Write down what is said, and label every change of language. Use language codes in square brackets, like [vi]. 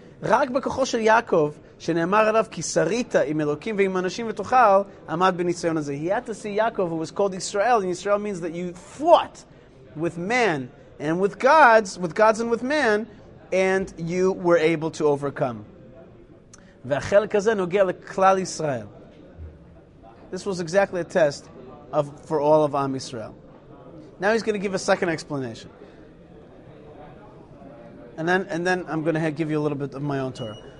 [he] רק בכוחו של יעקב, שנאמר עליו, כי שרית עם אלוקים ועם אנשים ותוכל, עמד בניסיון הזה. [en] He had to see Yaakov, who was called Israel, and Israel means that you fought with man and with gods and with man, and you were able to overcome. [he] והחלק הזה נוגע לכלל ישראל. [en] This was exactly a test of, for all of Am Israel. Now he's going to give a second explanation. And then I'm going to give you a little bit of my own Torah.